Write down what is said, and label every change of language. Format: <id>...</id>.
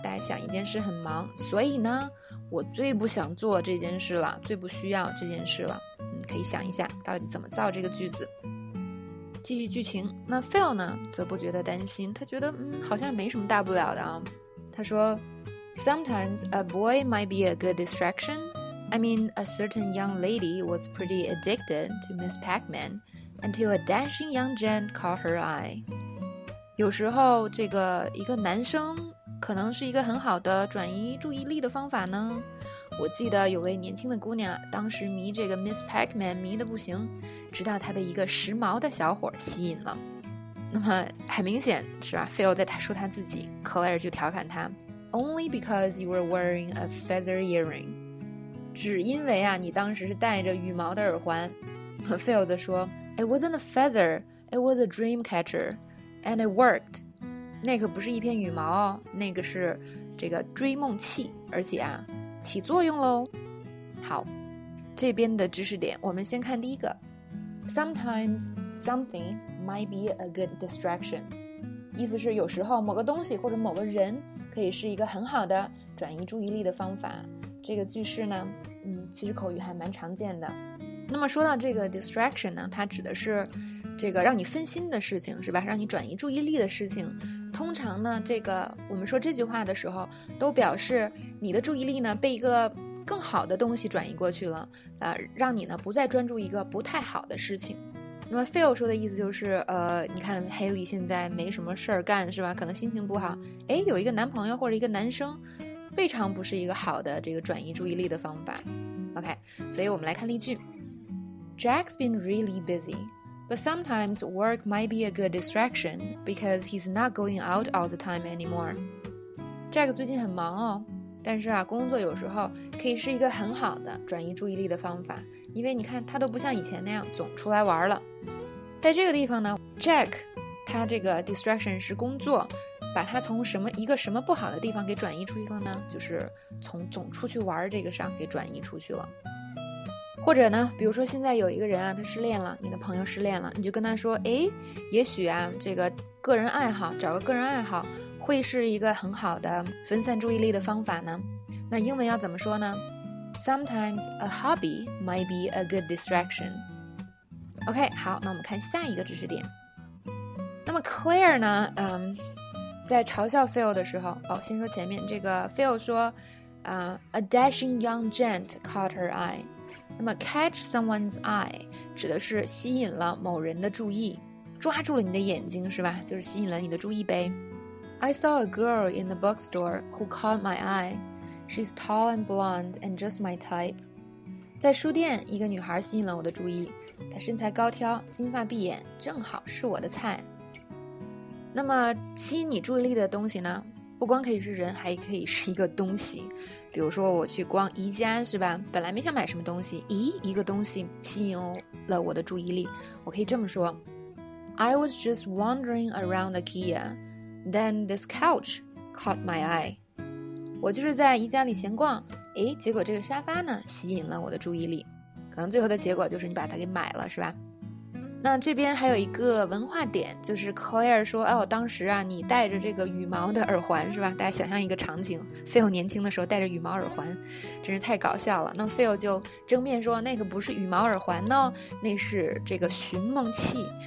<zh>大家想一件事很忙，所以呢，我最不想做这件事了，最不需要这件事了。可以想一下到底怎么造这个句子。继续剧情，那 Phil 呢则不觉得担心，他觉得好像没什么大不了的啊。他说</zh> <en>Sometimes a boy might be a good distraction. I mean, a certain young lady was pretty addicted to Miss Pac-Man until a dashing young gent caught her eye.</en> <zh>有时候这个一个男生可能是一个很好的转移注意力的方法呢。我记得有位年轻的姑娘，当时迷这个 Miss Pac-Man 迷得不行，直到她被一个时髦的小伙吸引了。那么很明显是吧 ，Phil 在说他自己 ，Claire 就调侃他 ，</zh> <en>Only because you were wearing a feather earring，</en> <zh>只因为啊你当时是戴着羽毛的耳环。</zh> <en>Phil</en> <zh>则说</zh> <en>，It wasn't a feather， it was a dream catcher， and it worked。</en> <zh>那个不是一片羽毛，那个是这个追梦器，而且啊。起作用咯。好，这边的知识点我们先看第一个。</zh> <en>Sometimes something might be a good distraction，</en> <zh>意思是有时候某个东西或者某个人可以是一个很好的转移注意力的方法。这个句式呢其实口语还蛮常见的。那么说到这个 distraction 呢，它指的是这个让你分心的事情，是吧？让你转移注意力的事情。通常呢，这个我们说这句话的时候，都表示你的注意力呢被一个更好的东西转移过去了，让你呢不再专注一个不太好的事情。那么 Phil 说的意思就是，你看 Haley 现在没什么事儿干，是吧？可能心情不好，哎，有一个男朋友或者一个男生，未尝不是一个好的这个转移注意力的方法。OK， 所以我们来看例句 ：</zh> <en>Jack's been really busy， But sometimes work might be a good distraction because he's not going out all the time anymore.</en> <zh>Jack 最近很忙哦，但是啊，工作有时候可以是一个很好的转移注意力的方法，因为你看他都不像以前那样总出来玩了。在这个地方呢 ，Jack 他这个 distraction 是工作，把他从什么一个什么不好的地方给转移出去了呢？就是从总出去玩这个上给转移出去了。或者呢，比如说现在有一个人啊，他失恋了，你的朋友失恋了，你就跟他说，哎，也许啊，这个个人爱好，找个个人爱好，会是一个很好的分散注意力的方法呢。那英文要怎么说呢 ？</zh> <en>Sometimes a hobby might be a good distraction.</en> <zh>OK， 好，那我们看下一个知识点。那么 Claire 呢，在嘲笑 Phil 的时候，哦，先说前面这个 Phil 说，</zh> <en>a dashing young gent caught her eye。</en> <zh>那么 catch someone's eye 指的是吸引了某人的注意，抓住了你的眼睛是吧，就是吸引了你的注意呗。</zh> <en>I saw a girl in the bookstore who caught my eye. She's tall and blonde and just my type.</en> <zh>在书店一个女孩吸引了我的注意，她身材高挑，金发碧眼，正好是我的菜。那么吸引你注意力的东西呢，不光可以是人，还可以是一个东西。比如说我去逛宜家是吧，本来没想买什么东西，咦，一个东西吸引了我的注意力。我可以这么说，</zh> <en>I was just wandering around IKEA, then this couch caught my eye.</en> <zh>我就是在宜家里闲逛，诶，结果这个沙发呢吸引了我的注意力。可能最后的结果就是你把它给买了是吧。那这边还有一个文化点，就是 Claire 说，哦，当时啊，你戴着这个羽毛的耳环是吧？大家想象一个场景 ，Phil 年轻的时候戴着羽毛耳环，真是太搞笑了。那 Phil 就正面说，那个不是羽毛耳环呢，那是这个寻梦器。</zh>